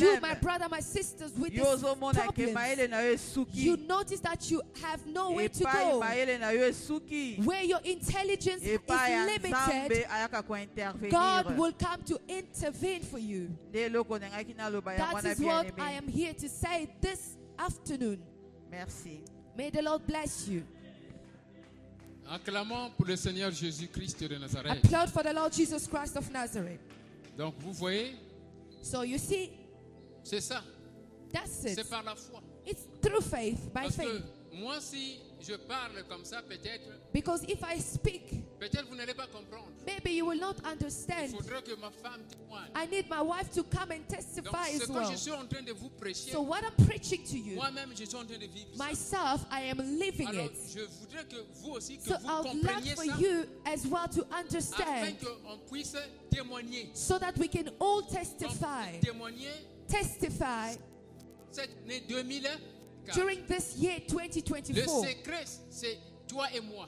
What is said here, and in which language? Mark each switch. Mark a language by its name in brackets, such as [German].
[English] You, my brother, my sisters, with this problem, you notice that you have nowhere to go. Where your intelligence is limited, God will come to intervene for you. That is what I am here to say this afternoon. [French] Merci. [English] May the Lord bless you. [French] Acclamons pour le Seigneur Jésus-Christ de Nazareth. [English] Applaud for the Lord Jesus Christ of Nazareth. [French] Donc vous voyez. [English] So you see. [French] C'est ça. [English] That's it. [French] C'est par la foi. [English] It's through faith, by [French] Parce [English] faith. [French] Que moi si je parle comme ça peut-être. [English] Because if I speak [French] Peut-être vous n'allez pas comprendre. [English] Maybe you will not understand. [French] Il faudrait que ma femme témoigne. [English] I need my wife to come and testify as well. [French] Donc ce que je suis en train de vous prêcher. [English] So what I'm preaching to you. [French] Moi-même, je suis en train de vivre. [English] Myself, [French] ça. [English] I am living [French] Alors, [English] it. [French] Alors, je voudrais que vous aussi que [English] so [French] vous compreniez ça. [English] So I'd love for you as well to understand. [French] Afin qu'on puisse témoigner. [English] So that we can all testify. [French] Donc, témoigner. [English] Testify. [French] Cette année 2020. [English] During this year 2024. [French] Le secret, c'est toi et moi.